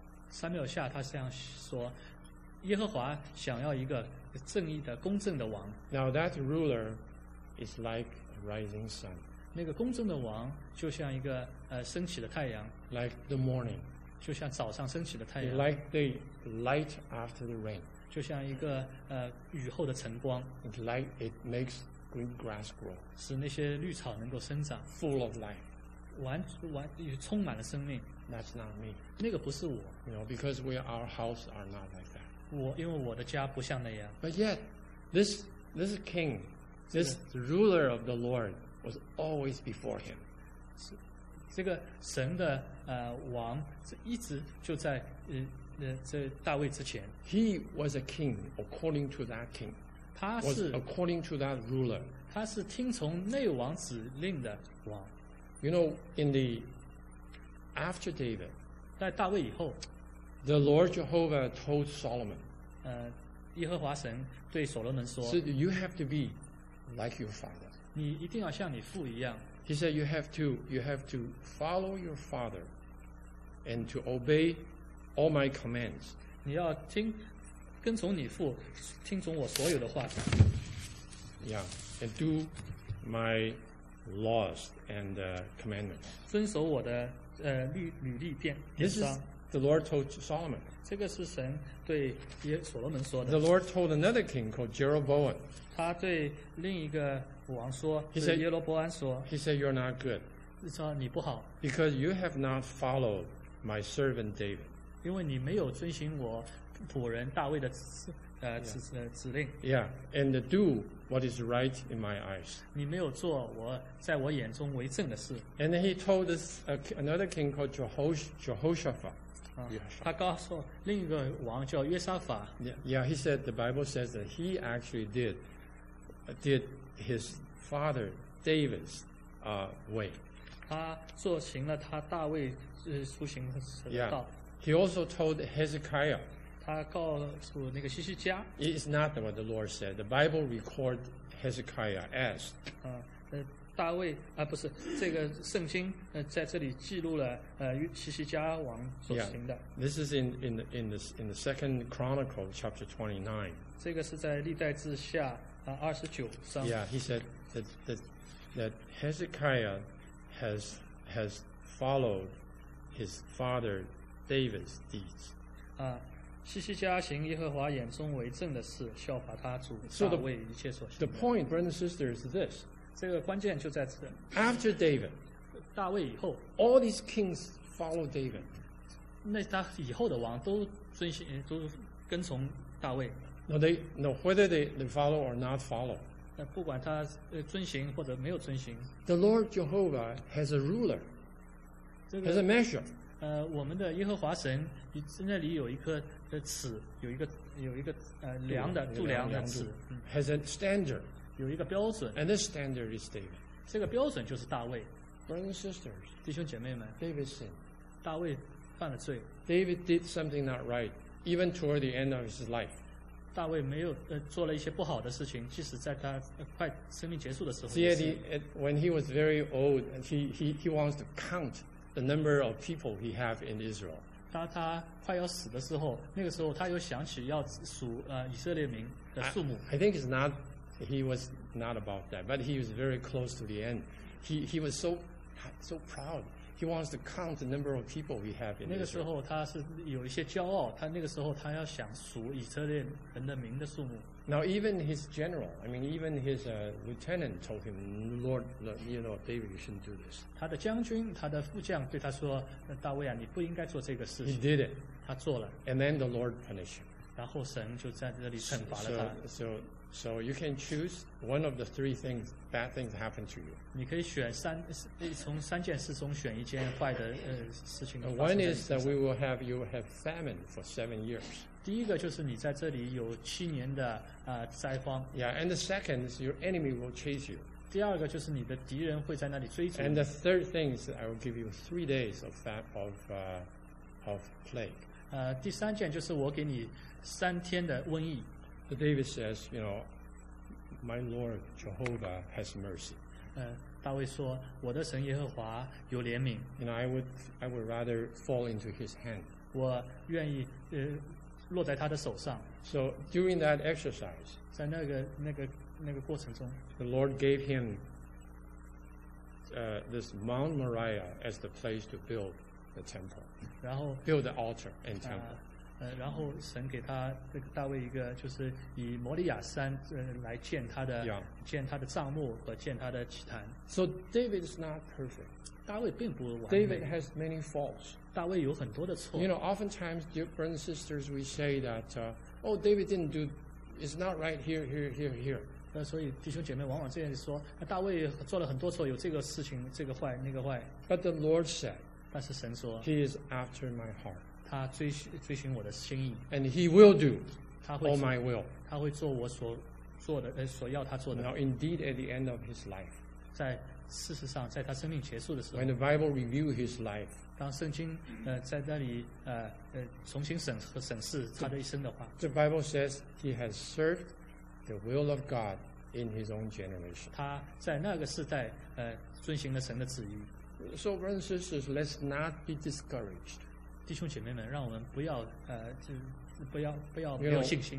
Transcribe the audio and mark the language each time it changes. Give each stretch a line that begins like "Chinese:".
Chinese: 撒母耳下他这样说，耶和华想要一个正义的公正的王。
English: Now that ruler is like a rising sun.
Chinese: 那个公正的王就像一个升起的太阳。
English: Like the morning.
Chinese: 就像早上升起的太阳。
English: Like the light after the rain.
Chinese: 就像一个雨后的晨光。
English: It's like it makes green grass grow.
Chinese: 使那些绿草能够生长。
English: Full of life.
Chinese: 完也充满了生命。
English: That's not me.
Chinese: 那个不是我。
English: You know, because our house are not like that.
Chinese: 因为我的家不像那样。
English: But yet, this king, this ruler of the Lord, was always before him.
Chinese: 这个神的王一直就在这大卫之前。
English: He was a king according to that king.
Chinese: 他是
English: according to that ruler.
Chinese: 他是听从那王指令的王。
English: You know, in the after David,
Chinese: 在大卫以后，
English: the Lord Jehovah told Solomon,
Chinese: 耶和华神对所罗门说，
English: so you have to be like your father.
Chinese: 你一定要像你父一样。
English: He said you have to follow your father and to obey all my commands.
Chinese: 你要跟从你父，听从我所有的话。
English: Yeah, and do my laws and commandments.
Chinese: 遵守我的律例典章。
English: The Lord told Solomon.
Chinese: 这个是神对所罗门说的。
English: The Lord told another king called Jeroboam.
Chinese: 他对另一个王说，
English: he said,
Chinese: 耶罗伯安说，
English: he said, you're not good.
Chinese: 说你不好。
English: Because you have not followed my servant David.
Chinese: 因为你没有遵循我仆人大卫的指令。
English: Yeah, and do what is right in my eyes.
Chinese: 你没有做在我眼中为正的事。
English: And then he told this another king called Jehoshaphat.
Chinese: 他告诉另一个王叫约沙法。
English: Yeah, he said the Bible says that he actually did his father David's way.
Chinese: 他做行了他大卫出行的道。
English: Yeah, he also told Hezekiah.
Chinese: 他告诉那个西西家。
English: It is not what the Lord said. The Bible records Hezekiah as.
Chinese: 大卫不是这个圣经在这里记录了西西家王所行的。
English: Yeah, this is in the second Chronicle chapter 29.
Chinese: 这个是在历代志下29章。
English: Yeah, he said that Hezekiah has followed his father David's deeds.
Chinese: 西西家行耶和华眼中为正的事，效法他主大卫一切所行的。
English: So the point, brothers and sisters, is this.
Chinese: 这个关键就在此。
English: After David,
Chinese: 大卫以后
English: ，all these kings follow David.
Chinese: 那他以后的王都遵循，都跟从大卫。
English: No, they, no, whether they follow or not follow.
Chinese: 那不管他遵循或者没有遵循。
English: The Lord Jehovah has a ruler.
Chinese: 这个、
English: has a measure.
Chinese: 我们的耶和华神那里有一颗的尺，有一个量的度量的尺。
English: Has a standard.
Chinese: 有一个标准。
English: And this standard is David.
Chinese: 这个标准就是大卫。
English: Brothers and sisters,
Chinese: 弟兄姐妹们
English: ，David sinned.
Chinese: 大卫犯了罪。
English: David did something not right, even toward the end of his life.
Chinese: 大卫没有做了一些不好的事情，即使在他快生命结束的时候。
English: See, when he was very old, he wants to count the number of people he have in Israel.
Chinese: 当他快要死的时候，那个时候他又想起要数以色列民的数目。
English: I think it's not he was not about that, but he was very close to the end. He was so proud. He wants to count the number of people we have in Israel.
Chinese: 那个时候他是有一些骄傲，他那个时候他要想数以色列人的名的数目。
English: Now even his general, I mean even his lieutenant told him, Lord, you know, David, you shouldn't do this.
Chinese: 他的将军，他的副将对他说，大卫啊，你不应该做这个事情。
English: He did it.
Chinese: 他做了。
English: And then the Lord punished him.
Chinese: 然后神就在这里惩罚了他。
English: So you can choose one of the three things, bad things happen to you.
Chinese: 你可以选三，从三件事中选一件坏的事情。
English: One is that we will have you have famine for 7 years.
Chinese: 第一个就是你在这里有七年的灾荒。
English: Yeah, and the second is your enemy will chase you.
Chinese: 第二个就是你的敌人会在那里追逐。
English: And the third thing is I will give you 3 days of plague.
Chinese: 第三件就是我给你三天的瘟疫。
English: So David says, you know, my Lord Jehovah has mercy.
Chinese: 大卫说，我的神耶和华有怜悯。
English: You know, I would rather fall into his hand.
Chinese: 我愿意落在他的手上。
English: So during that exercise,
Chinese: 在那个过程中
English: ，the Lord gave him this Mount Moriah as the place to build the temple.
Chinese: 然后
English: build the altar and temple.
Chinese: 然后神给他这个大卫一个，就是以摩利亚山来建他的、 yeah. 建他的帐幕和建他的祭坛。
English: So David is not perfect.
Chinese: 大卫并不完美。
English: David has many faults.
Chinese: 大卫有很多的错。
English: You know, oftentimes, dear brothers and sisters, we say that, oh, David didn't do, it's not right here, here, here, here.
Chinese: 所以弟兄姐妹往往这样说，大卫做了很多错，有这个事情，这个坏，那个坏。
English: But the Lord said,
Chinese: 但是神说
English: ，He is after my heart.
Chinese: 他追寻我的心意
English: ，and he will do
Chinese: 他会
English: all my will.
Chinese: 他会做我所做的，所要他做的。
English: Now, indeed, at the end of his life,
Chinese: 在事实上，在他生命结束的时候
English: ，when the Bible review his life,
Chinese: 当圣经在那里重新审视他的一生的话
English: ，the Bible says he has served the will of God in his own generation.
Chinese: 他在那个世代遵循了神的旨意。
English: So, brothers and sisters, let's not be discouraged.
Chinese: 弟兄姐妹们，让我们不要不要没有信心。